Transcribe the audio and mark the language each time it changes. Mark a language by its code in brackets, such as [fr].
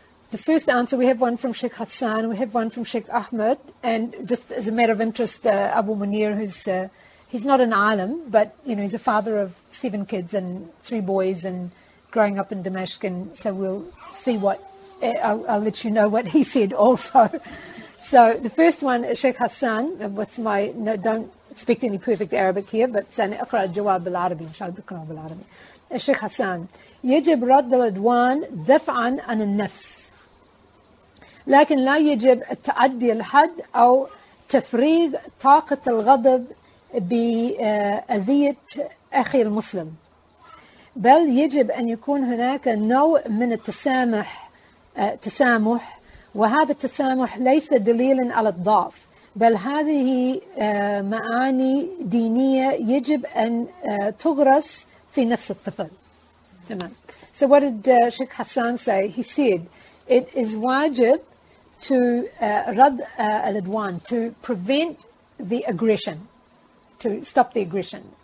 [en] The first answer, we have one from Sheikh Hassan, we have one from Sheikh Ahmed, and just as a matter of interest, Abu Munir, who's he's not an alim, but you know, he's a father of seven kids and three boys and growing up in Damascus, and so we'll see what, I'll let you know what he said also. So the first one is Sheikh Hassan, with my, no, don't expect any perfect Arabic here, but saying, [ar] اقرأ الجواب بالعربي, [en] inshallah, [ar] اقرأ بالعربي. Sheikh Hassan, يجب رد العدوان دفعا عن النفس. لكن لا يجب التعدي الحد أو تفريغ طاقة الغضب بأذية أخي المسلم بل يجب أن يكون هناك نوع من التسامح تسامح وهذا التسامح ليس دليلا على الضعف بل هذه معاني دينية يجب أن تغرس في نفس الطفل تمام. [en] So what did Sheikh Hassan say? He said it is wajib to rad al-adwan, to prevent the aggression, to stop the aggression.